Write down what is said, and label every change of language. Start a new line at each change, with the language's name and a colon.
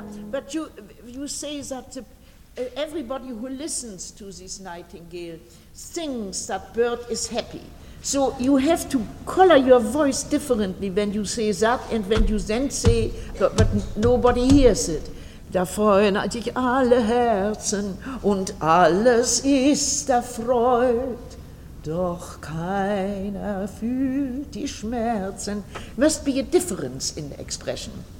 English: But you say that everybody who listens to this nightingale thinks that bird is happy. So you have to color your voice differently when you say that and when you then say, but nobody hears it.
German: Da freuen sich alle Herzen und alles ist erfreut. Doch keiner fühlt die Schmerzen.
English: Must be a difference in the expression.